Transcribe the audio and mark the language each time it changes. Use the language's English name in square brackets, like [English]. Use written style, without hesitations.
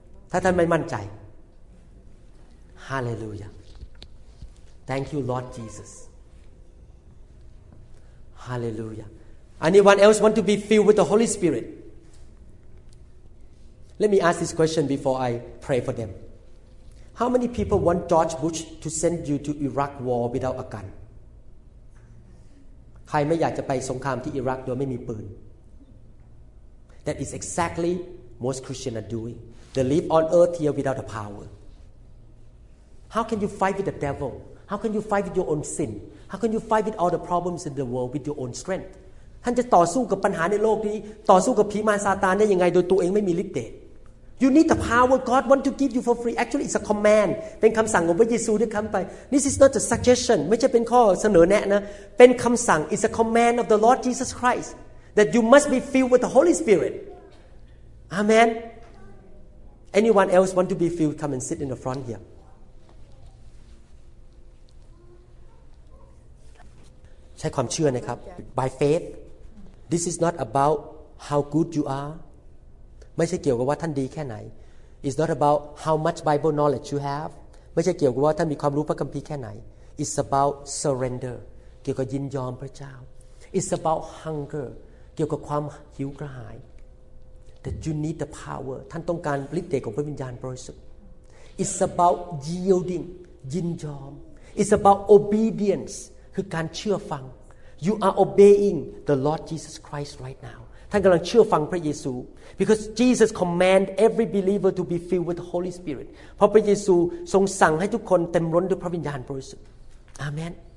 [Thai] ถ้าท่านไม่มั่นใจฮาเลลูยา [English] Thank you Lord Jesus Hallelujah Anyone else want to be filled with the Holy Spirit Let me ask this question before I pray for them How many people want George Bush to send you to Iraq war without a gun [Thai] ใครไม่อยากจะไปสงครามที่อิรักโดยไม่มีปืน [English] That is exactly most Christians are doing. They live on earth here without the power. How can you fight with the devil? How can you fight with your own sin? How can you fight with all the problems in the world with your own strength? [Thai] ท่านจะต่อสู้กับปัญหาในโลกนี้ต่อสู้กับผีมารซาตานได้ยังไงโดยตัวเองไม่มีฤทธิ์เดช [English] You need the power God want to give you for free. Actually, it's a command. [Thai] เป็นคำสั่งของพระเยซูด้วยคำไป [English] This is not a suggestion. [Thai] ไม่ใช่เป็นข้อเสนอแนะนะเป็นคำสั่ง [English] It's a command of the Lord Jesus Christ that you must be filled with the Holy Spirit. Amen. Anyone else want to be filled? Come and sit in the front here. [Thai] ใช้ความเชื่อนะครับ [English] By faith. This is not about how good you are. [Thai] ไม่ใช่เกี่ยวกับว่าท่านดีแค่ไหน [English] It's not about how much Bible knowledge you have [Thai] ไม่ใช่เกี่ยวกับว่าท่านมีความรู้พระคัมภีร์แค่ไหน [English] It's about surrender [Thai] เกี่ยวกับยินยอมพระเจ้า [English] It's about hunger [Thai] เกี่ยวกับความหิวกระหาย [English] That you need the power [Thai] ท่านต้องการฤทธิ์เดชของพระวิญญาณบริสุทธิ์ [English] It's about yielding [Thai] ยินยอม [English] It's about obedience [Thai] คือการเชื่อฟัง [English] You are obeying the Lord Jesus Christ right now [Thai] ท่านกำลังเชื่อฟังพระเยซู [English] because Jesus command every believer to be filled with the Holy Spirit [Thai] เพราะพระเยซูทรงสั่งให้ทุกคนเต็มล้นด้วยพระวิญญาณบริสุทธิ์ [English] Amen